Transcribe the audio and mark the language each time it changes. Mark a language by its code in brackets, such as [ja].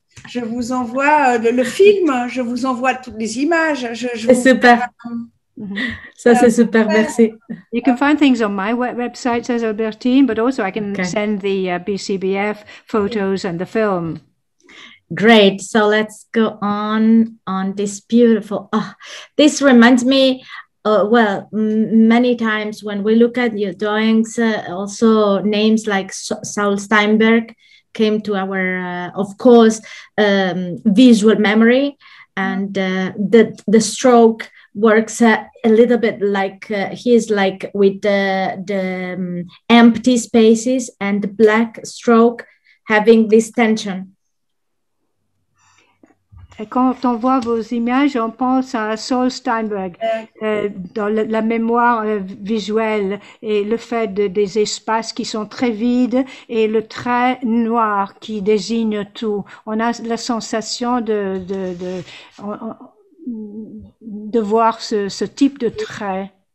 [fr] je vous envoie le film, je vous envoie toutes les images, je C'est vous super. Ça, c'est super. Merci. [en] You can find things on my website, says Albertine, but also I can Okay. send the BCBF photos and the film. Great. So let's go on this beautiful. Oh, this reminds me. Well, many times when we look at your drawings, also names like Saul Steinberg came to our, of course, visual memory. And the stroke works a little bit like he's like with the empty spaces and the black stroke having this tension. [fr] Et quand on voit vos images, on pense à Saul Steinberg, dans la mémoire visuelle et le fait des espaces qui sont très vides et le trait noir qui désigne tout. On a la sensation de voir ce type de trait.